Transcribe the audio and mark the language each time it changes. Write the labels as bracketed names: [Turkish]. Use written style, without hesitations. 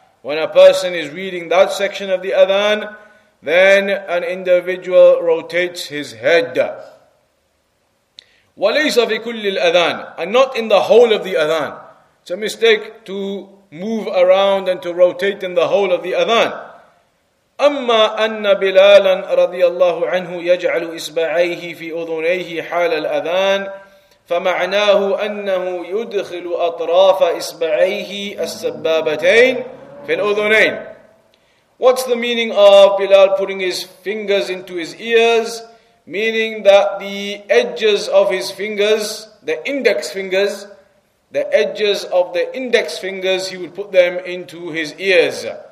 [English] When a person is reading that section of the adhan, then an individual rotates his head. [Arabic] وَلَيْسَ فِي كُلِّ الْأَذَانِ. [English] And not in the whole of the adhan. It's a mistake to move around and to rotate in the whole of the adhan. [Arabic] أَمَّا أَنَّ بِلَالًا رَضِيَ اللَّهُ عَنْهُ يَجْعَلُ إِسْبَعَيْهِ فِي أُذُنَيْهِ حَالَ الْأَذَانِ فمعناه أنه يدخل أطراف إصبعيه السبابتين في الأذنين. [English] What's the meaning of Bilal putting his fingers into his ears? Meaning that the edges of his fingers, the index fingers, he would put them into his ears.